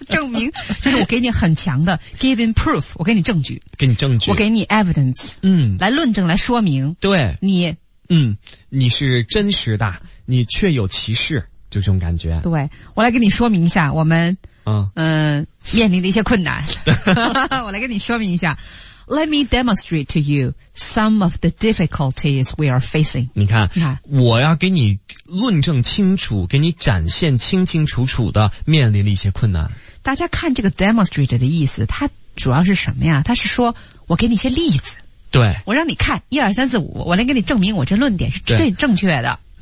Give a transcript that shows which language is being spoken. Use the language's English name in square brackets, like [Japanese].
[Chinese] 证明就是我给你很强的 [English] giving proof， [Chinese] 我给你证据。给你证据。我给你 evidence。来论证，来说明。对。你。你是真实的，你确有其事。就这种感觉。对，我来跟你说明一下我们面临的一些困难。我来跟你说明一下。 [English] Let me demonstrate to you some of the difficulties we are facing. [Chinese] 你看我要给你论证清楚，给你展现清清楚楚的面临的一些困难。大家看这个 demonstrate 的意思，它主要是什么呀？它是说我给你一些例子。对。我让你看 ,1,2,3,4,5, 我来给你证明我这论点是最正确的。